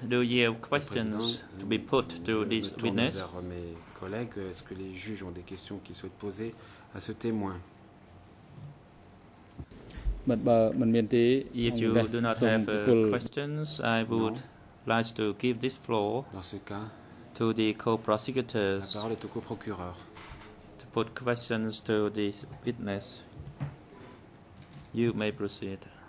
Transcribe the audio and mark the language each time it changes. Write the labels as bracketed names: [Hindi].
[English] Do you have questions to be put to this witness? [French] Mes collègues, est-ce que les juges ont des questions qu'ils souhaitent poser à ce témoin? [English] If you do not have questions, I would like to give this floor [French] Dans ce cas, [English] to the co-prosecutors [French] la parole est au co-procureur. [English] To put questions to this witness. You may proceed.